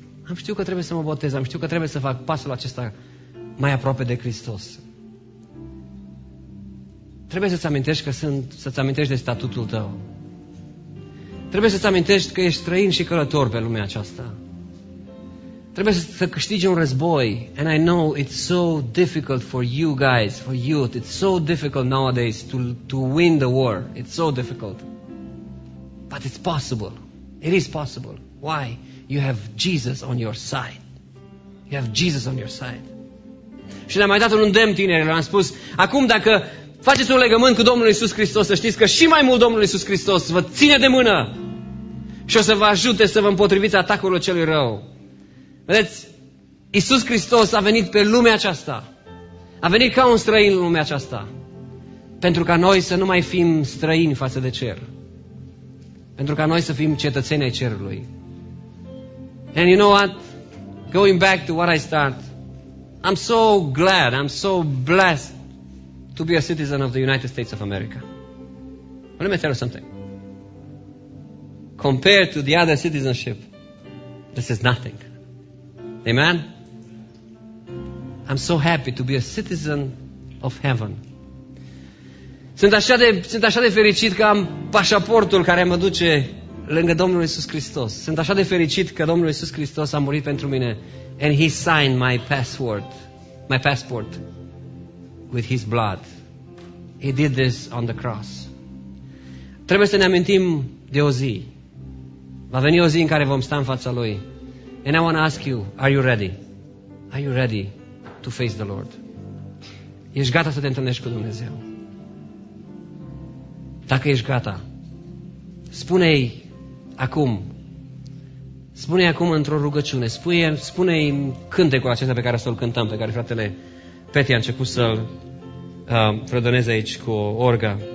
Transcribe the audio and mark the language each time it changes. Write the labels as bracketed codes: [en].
[ro] Am știut că trebuie să mă botez, am știut că trebuie să fac pasul acesta mai aproape de Hristos. Trebuie să-ți amintești de statutul tău. Trebuie să-ți amintești că ești străin și călător pe lumea aceasta. Trebuie să câștigi un război. [en] And I know it's so difficult for you guys, for youth. It's so difficult nowadays to win the war. It's so difficult. But it's possible. It is possible. Why? You have Jesus on your side. You have Jesus on your side. [ro] Și le-am mai dat un îndemn tinerilor. Am spus, acum dacă faceți un legământ cu Domnul Iisus Hristos, să știți că și mai mult Domnul Iisus Hristos vă ține de mână și o să vă ajute să vă împotriviți atacurilor celui rău. Vedeți, Iisus Hristos a venit pe lumea aceasta. A venit ca un străin în lumea aceasta. Pentru ca noi să nu mai fim străini față de cer. Pentru ca noi să fim cetățeni ai cerului. [en] And you know what? Going back to what I start. I'm so glad, I'm so blessed to be a citizen of the United States of America. Let me tell you something. Compared to the other citizenship, this is nothing. Amen? I'm so happy to be a citizen of heaven. [ro] Sunt așa de fericit că am pașaportul care mă duce lângă Domnul Iisus Hristos. Sunt așa de fericit că Domnul Iisus Hristos a murit pentru mine. [en] And He signed my passport with His blood. He did this on the cross. [ro] Trebuie să ne amintim de o zi. Va veni o zi în care vom sta în fața Lui. [en] And I want to ask you, are you ready? Are you ready to face the Lord? [ro] Ești gata să te întâlnești cu Dumnezeu? Dacă ești gata, spune-i acum într-o rugăciune, spune-i cântecul acesta pe care să-l cântăm, pe care fratele Peti a început să-l fredoneze aici cu o orgă.